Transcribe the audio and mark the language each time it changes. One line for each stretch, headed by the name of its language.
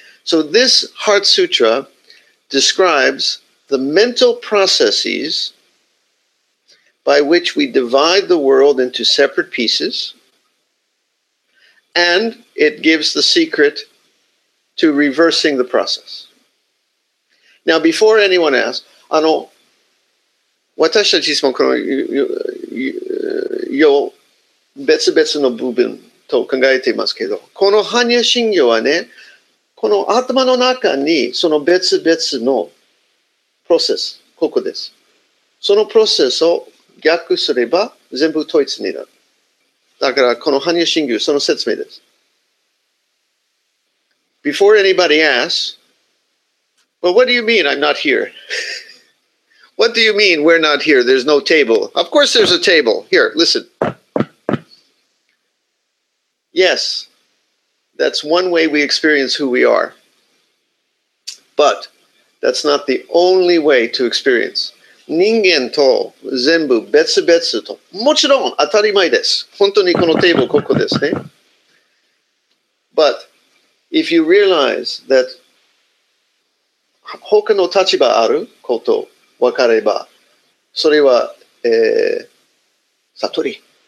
English: So this Heart Sutra describes the mental processes by which we divide the world into separate pieces, and it gives the secret to reversing the process. Now, before anyone asks, あの、
Japanese: 私たちもこの別々の部分と考えていますけど、この般若心経はね、この頭の中にその別々のプロセス、ここです。そのプロセスを逆すれば全部統一になる。だからこの般若心経、その説明です。
English: Before anybody asks, well, what do you mean I'm not here? What do you mean we're not here? There's no table. Of course there's a table. Here, listen. Yes, that's one way we experience who we are. But that's not the only way to experience.
Japanese: 人間と全部別々と。もちろん当たり前です。本当にこのテーブルここですね。
English: But if you realize that
Japanese: 他の立場あること分かれば、それは、悟り。